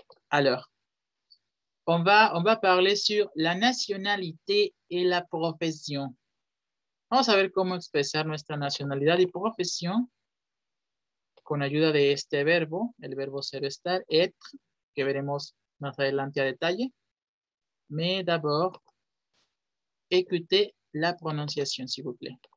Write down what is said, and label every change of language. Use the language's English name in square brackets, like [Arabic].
[French] Alors, on va parler sur la nationalité et la profession. [Spanish] Vamos a ver cómo expresar nuestra nacionalidad y profesión con ayuda de este verbo, el verbo ser o estar, être, que veremos más adelante a detalle. [French] Mais d'abord, écoutez la prononciation, s'il vous plaît.